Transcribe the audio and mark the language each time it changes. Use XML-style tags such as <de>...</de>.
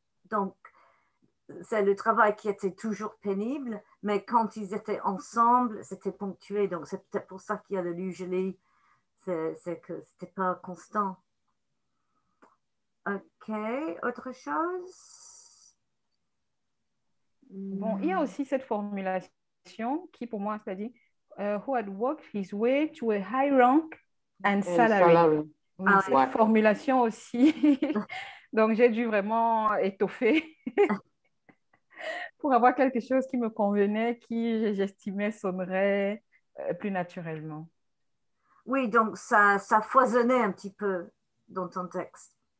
<fr>Donc, c'est le travail qui était toujours pénible, mais quand ils étaient ensemble, c'était ponctué. Donc, c'est peut-être pour ça qu'il y a le usually, c'est que ce n'était pas constant. OK, autre chose? Bon, il y a aussi cette formulation qui, pour moi, c'est-à-dire...</fr> <en>who had worked his way to a high rank and salary.</en> <fr>Salary. Oui, ah, c'est une formulation aussi. Donc, j'ai dû vraiment étoffer pour avoir quelque chose qui me convenait, qui j'estimais sonnerait plus naturellement. Oui, donc ça foisonnait un petit peu dans ton texte.</fr>